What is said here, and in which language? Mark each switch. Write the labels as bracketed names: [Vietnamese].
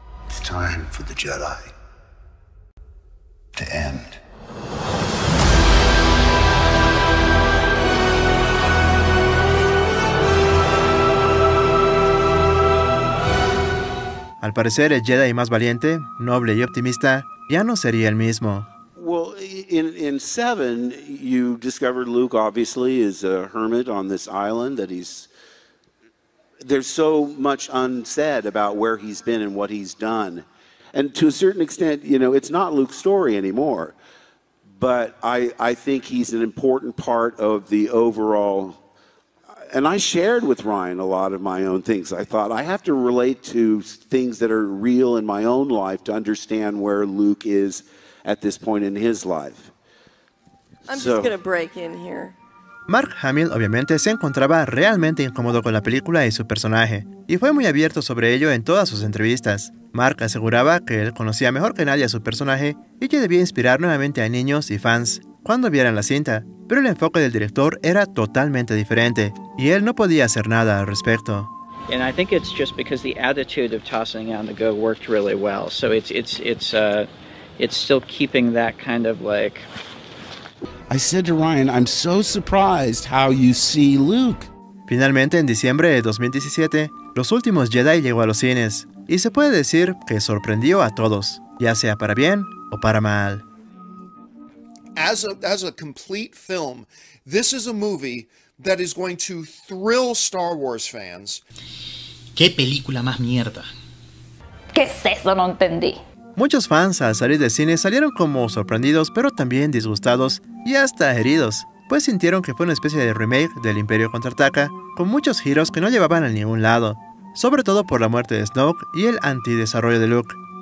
[English] It's time for the Jedi to end. [Spanish] Al parecer, el Jedi más valiente, noble y optimista ya no sería el mismo. [English] Well, in 7, you discovered Luke obviously is a hermit on this island that he's... There's so much unsaid about where he's been and what he's done. And to a certain extent, you know, it's not Luke's story anymore. But I think he's an important part of the overall... And I shared with Ryan a lot of my own things. I thought, I have to relate to things that are real in my own life to understand where Luke is at this point in his life. I'm just going to break in here. [Spanish] Mark Hamill obviamente se encontraba realmente incómodo con la película y su personaje, y fue muy abierto sobre ello en todas sus entrevistas. Mark aseguraba que él conocía mejor que nadie a su personaje y que debía inspirar nuevamente a niños y fans cuando vieran la cinta, pero el enfoque del director era totalmente diferente y él no podía hacer nada al respecto. [English] And I think it's just because the attitude of tossing on the go worked really well. So it's still keeping that kind of like. I said to Ryan, I'm so surprised how you see Luke. [Spanish] Finalmente, en diciembre de 2017, Los Últimos Jedi llegó a los cines, y se puede decir que sorprendió a todos, ya sea para bien o para mal. [English] As a complete film, this is a movie that is going to thrill Star Wars fans. [Spanish] ¿Qué película más mierda? ¿Qué es eso? No entendí. Muchos fans al salir del cine salieron como sorprendidos, pero también disgustados y hasta heridos, pues sintieron que fue una especie de remake del Imperio Contraataca, con muchos giros que no llevaban a ningún lado, sobre todo por la muerte de Snoke y el antidesarrollo de Luke.